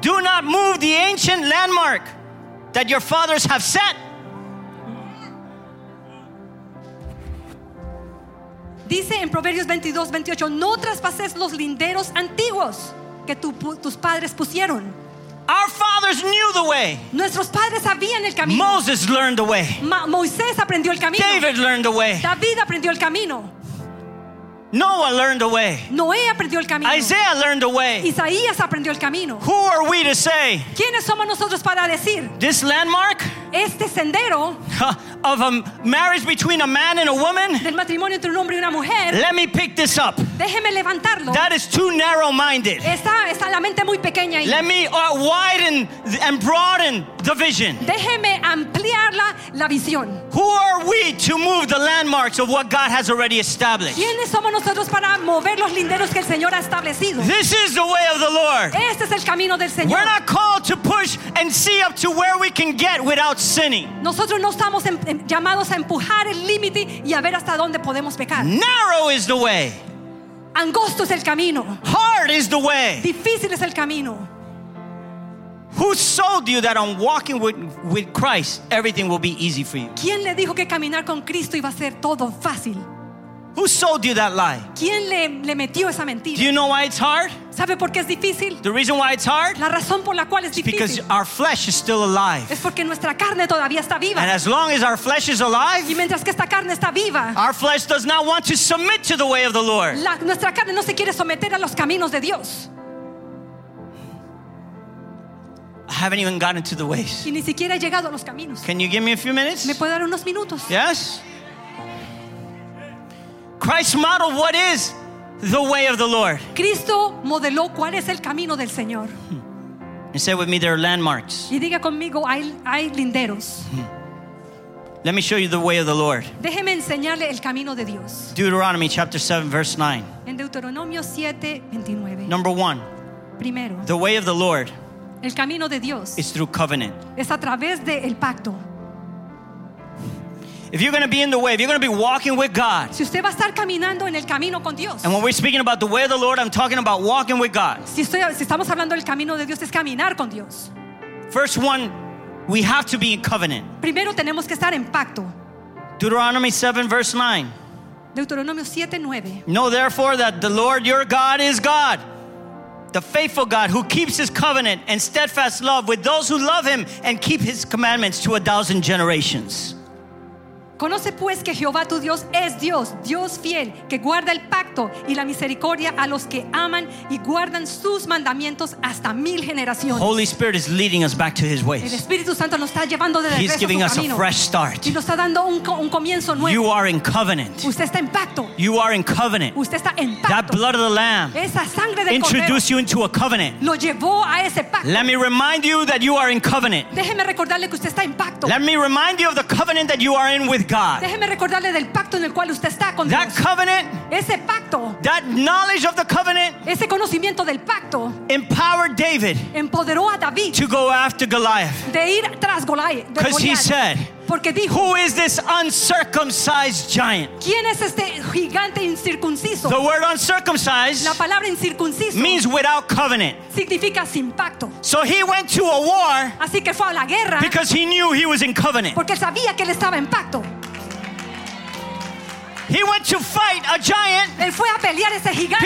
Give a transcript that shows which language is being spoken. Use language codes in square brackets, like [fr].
[en] Do not move the ancient landmark that your fathers have set. [es] Dice en Proverbios 22, 28, no traspases los linderos antiguos que tus padres pusieron. [en] Our fathers knew the way. [es] Nuestros padres sabían el camino. [en] Moses learned the way. [es] Moisés aprendió el camino. [en] David learned the way. [es] David aprendió el camino. [en] Noah learned the way. [es] Noé aprendió el camino. [en] Isaiah learned the way. [es] Isaías aprendió el camino. [en] Who are we to say? [es] ¿Quiénes somos nosotros para decir? [en] This landmark? [es] Este sendero. [en] Of a marriage between a man and a woman? [es] Del matrimonio entre un hombre y una mujer. [en] Let me pick this up. [es] Déjeme levantarlo. [en] That is too narrow-minded. [es] Está la mente muy pequeña ahí. [en] Let me widen and broaden the vision. [es] Déjeme ampliar la visión. [en] Who are we to move the landmarks of what God has already established? [es] ¿Quiénes somos nosotros para mover los linderos que el Señor ha establecido? [en] This is the way of the Lord. [es] Este es el camino del Señor. [en] We're not called to push and see up to where we can get without sinning. [es] Nosotros no estamos llamados a empujar el límite y a ver hasta dónde podemos pecar. [en] Narrow is the way. [es] Angosto es el camino. [en] Hard is the way. [es] Difícil es el camino. [en] Who sold you that on walking with Christ everything will be easy for you? [es] ¿Quién le dijo que caminar con Cristo iba a ser todo fácil? [en] Who sold you that lie? [es] ¿Quién le metió esa mentira? [en] Do you know why it's hard? [es] ¿Sabe por qué es difícil? [en] The reason why it's hard? [es] La razón por la cual es difícil. [en] Because our flesh is still alive. [es] Es porque nuestra carne todavía está viva. [en] And as long as our flesh is alive, [es] y mientras que esta carne está viva, [en] our flesh does not want to submit to the way of the Lord. [es] Nuestra carne no se quiere someter a los caminos de Dios. [en] I haven't even gotten to the ways. [es] Y ni siquiera he llegado a los caminos. [en] Can you give me a few minutes? [es] ¿Me puede dar unos minutos? [en] Yes. Christ modeled what is the way of the Lord. [es] Cristo modeló cuál es el camino del Señor. [en] And say with me, there are landmarks. [es] Y diga conmigo, hay linderos. [en] Let me show you the way of the Lord. [es] Déjeme enseñarle el camino de Dios. [en] Deuteronomy chapter 7 verse 9. [es] En Deuteronomio 7, 29. [en] Number one. [es] Primero. [en] The way of the Lord. [es] El camino de Dios. [en] Is through covenant. [es] Es a través del pacto. [en] If you're going to be in the way, if you're going to be walking with God, [es] si usted va a estar caminando en el camino con Dios, [en] and when we're speaking about the way of the Lord, I'm talking about walking with God. [es] Si estamos hablando del camino de Dios, es caminar con Dios. [en] First one, we have to be in covenant. [es] Primero tenemos que estar en pacto. [en] Deuteronomy 7 verse 9. [es] Deuteronomio 7, 9. [en] Know therefore that the Lord your God is God. The faithful God who keeps his covenant and steadfast love with those who love him and keep his commandments to 1,000 generations. [es] Conoce pues que Jehová tu Dios es Dios, Dios fiel, que guarda el pacto y la misericordia a los que aman y guardan sus mandamientos hasta 1,000 generaciones. [en] Holy Spirit is leading us back to his ways. [es] El Espíritu Santo nos está llevando de regreso a su camino. [en] He's giving us a fresh start. [es] Y nos está dando un comienzo nuevo. [en] You are in covenant. [es] Usted está en pacto. [en] You are in covenant. [es] Usted está en pacto. [en] That blood of the lamb. [es] Esa sangre del cordero. [en] Introduce you into a covenant. [es] Lo llevó a ese pacto. [en] Let me remind you that you are in covenant. [es] Déjeme recordarle que usted está en pacto. [en] Let me remind you of the covenant that you are in with God. [es] Déjeme recordarle del pacto en el cual usted está con Dios. [en] That covenant, [es] ese pacto, [en] that knowledge of the covenant, [es] ese conocimiento del pacto, [en] empowered David, [es] empoderó a David, [en] to go after Goliath, [es] de ir tras Goliath, [en] because he said, [es] porque dijo, [en] who is this uncircumcised giant? [es] ¿Quién es este gigante incircunciso? [en] The word uncircumcised, [es] la palabra incircunciso, [en] means without covenant. [es] Significa sin pacto. [en] So he went to a war, [es] así que fue a la guerra, [en] because he knew he was in covenant. [es] Porque él sabía que él estaba en pacto. [en] He went to fight a giant, [es] él fue a pelear ese gigante,